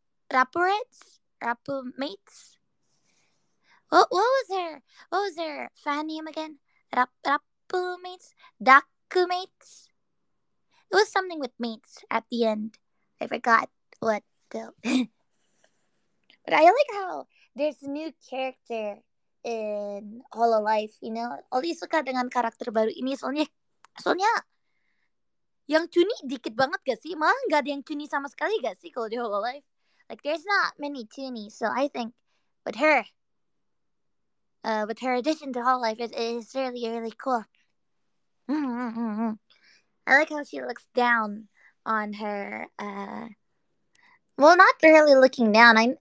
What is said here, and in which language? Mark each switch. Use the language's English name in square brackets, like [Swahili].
[English] Rapurets? Rapumates? What was her fan name again? Rapumates? Dakumates? It was something with mates at the end. I forgot what the... But I like how there's a new character in Hololive, you know? [Indonesian] Oli suka dengan karakter baru ini soalnya yang cuni dikit banget gak sih? Malah gak ada yang cuni sama sekali gak sih kalau di Hololive? [English] Like, there's not many cuni, so I think with her addition to Hololive, it is really, really cool. I like how she looks down on her, well, not really looking down.